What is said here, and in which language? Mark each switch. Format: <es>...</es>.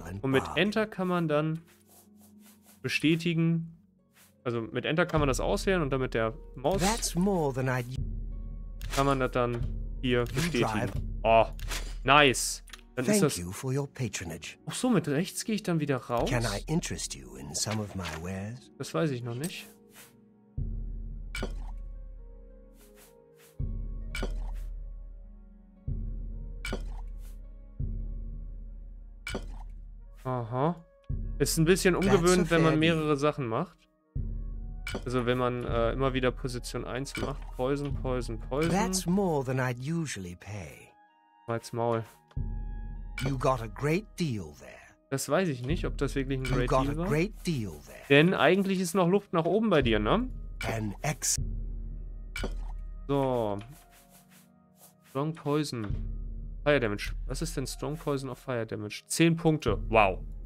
<de>Und mit Enter kann man dann bestätigen. Also mit Enter kann man das auswählen und dann mit der Maus.</de> <en>That's more than I'd...</en> <de>kann man das dann hier bestätigen. Oh, nice. Dann</de> <en>thank</en> <de>ist das...</de> <en>you for your patronage.</en> <de>Ach so, mit rechts gehe ich dann wieder raus.</de> <en>Can I interest you in some of my wares?</en> <de>Das weiß ich noch nicht. Aha. Ist ein bisschen ungewöhnlich, wenn man mehrere Sachen macht. Also wenn man immer wieder Position 1 macht.</de> <en>Poison, Poison, Poison. That's more than I'd usually pay.</en> <de>Halt's Maul.</de> <en>You got a great deal there.</en> <de>Das weiß ich nicht, ob das wirklich ein</de> <en>great deal</en> <de>war.</de> <en>Great deal there.</en> <de>Denn eigentlich ist noch Luft nach oben bei dir, ne?</de> <en>So. Strong Poison. Fire Damage.</en> <de>Was ist denn Strong Poison auf Fire Damage? 10 Punkte. Wow.</de>